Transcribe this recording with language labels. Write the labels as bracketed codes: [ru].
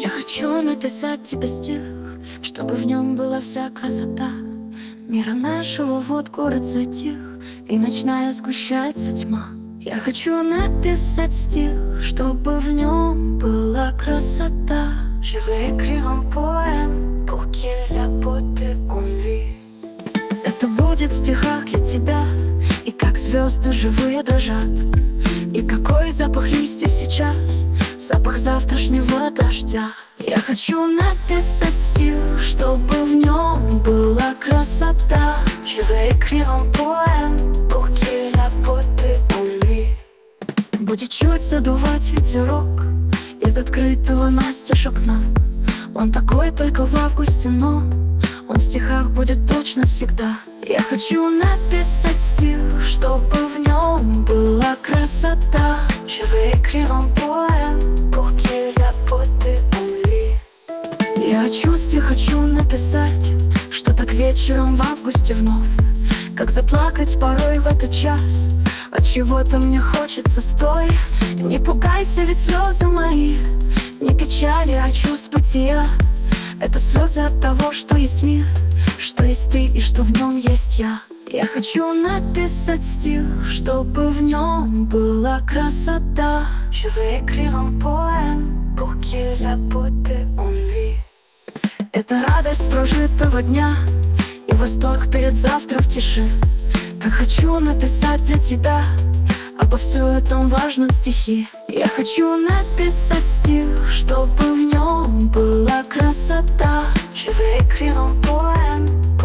[ru] Хочу написать тебе стих, чтобы в нем была вся красота мира нашего, вот город затих, и ночная сгущается тьма. Я хочу написать стих, чтобы в нем была красота. [fr] Je vais écrire un poème pour qu'il y ait beauté en lui. [ru] Это будет в стихах для тебя, и как звезды живые дрожат, и какой запах листьев сейчас, запах завтрашнего дождя. Я хочу написать стих, чтобы в нем была красота. [fr] Je vais écrire un poème pour qu'il y ait beauté en lui. [ru] Будет чуть задувать ветерок из открытого настежь окна. Он такой только в августе, но он в стихах будет точно всегда. Я хочу написать стих, чтобы в нем была красота. [fr] Je vais écrire un poème pour qu'il y ait beauté en lui. [ru] Я о чувстве хочу написать, что так вечером в августе вновь, как заплакать порой в этот час. От чего-то мне хочется, стой. Не пугайся, ведь слезы мои не печали, а чувств бытия. Это слезы от того, что есть мир, что есть ты и что в нем есть я. Я хочу написать стих, чтобы в нем была красота. [fr] Je vais écrire un poème pour qu'il y ait beauté en lui. [ru] Это радость прожитого дня и восторг перед завтра в тиши. Как хочу написать для тебя обо всем этом важном стихи. Я хочу написать стих, чтобы в нем была красота. [fr] Je vais écrire un poème.